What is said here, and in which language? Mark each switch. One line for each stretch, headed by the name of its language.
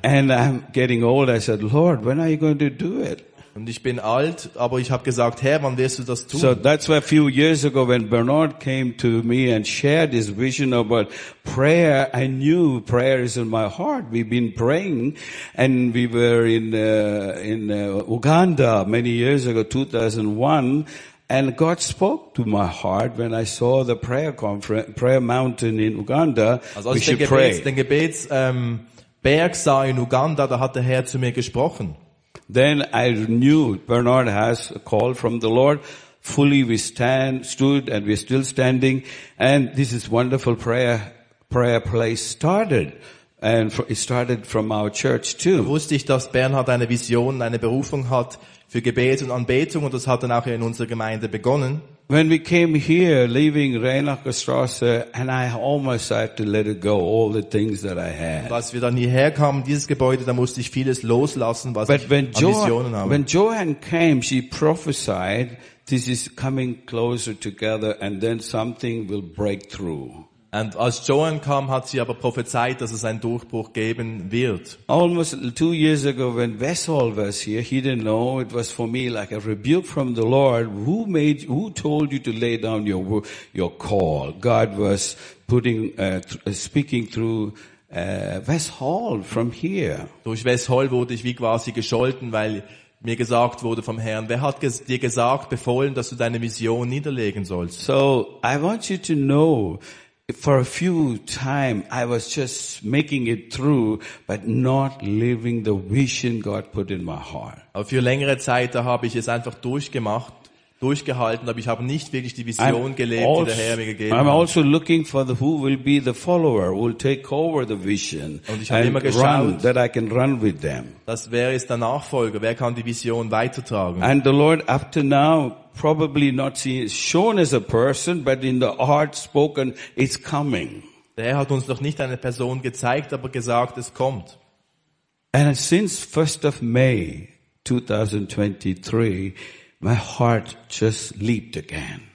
English: And I'm getting old. I said, Lord, when are you going to do it?
German: Und ich bin alt, aber ich habe gesagt, Herr, wann wirst du das tun?
English: So that's why a few years ago when Bernard came to me and shared his vision about prayer, I knew prayer is in my heart. We've been praying and we were in Uganda many years ago, 2001. And God spoke to my heart when I saw the prayer conference, prayer mountain in Uganda.
German: Also
English: we should pray.
German: Den Gebetsberg sah in Uganda, da hat der Herr zu mir gesprochen.
English: Then I knew Bernard has a call from the Lord. Fully we stood and we're still standing. And this is wonderful prayer place started. And it started from our church too.
German: Da wusste ich, dass Bernhard eine Vision, eine Berufung hat für Gebet und Anbetung, und das hat dann auch in unserer Gemeinde begonnen.
English: When we came here, leaving Reinachstrasse, and I almost had to let it go, all the things that I had.
German: Als wir dann hierher kamen, dieses Gebäude, da musste ich vieles loslassen, was ich an Visionen habe.
English: But when Joanne came, she prophesied, this is coming closer together, and then something will break through. And as
German: Joanne kam, hat sie aber prophezeit, dass es einen Durchbruch geben wird.
English: Almost 2 years ago, when Vessel was here, he didn't know it was for me like a rebuke from the Lord. Who told you to lay down your call? God was speaking through Vessel from here.
German: Durch Vessel wurde ich wie quasi gescholten, weil mir gesagt wurde vom Herrn, wer hat dir gesagt, befohlen, dass du deine Vision niederlegen sollst?
English: So, I want you to know, for a few time I was just making it through but not living the vision God put in my heart.
German: Aber für längere Zeit habe ich es einfach durchgehalten, aber ich habe nicht wirklich die Vision gelebt, die der Herr mir gegeben hat.
English: I'm also looking for who will be the follower, who will take over the vision.
German: Und ich habe immer geschaut,
English: that I can run with them.
German: Das wäre es, der Nachfolger, wer kann die Vision weitertragen?
English: And the Lord up to now probably not shown as a person, but in the heart spoken, it's coming.
German: Der Herr hat uns noch nicht eine Person gezeigt, aber gesagt, es kommt.
English: And since 1st of May 2023, my heart just leaped again.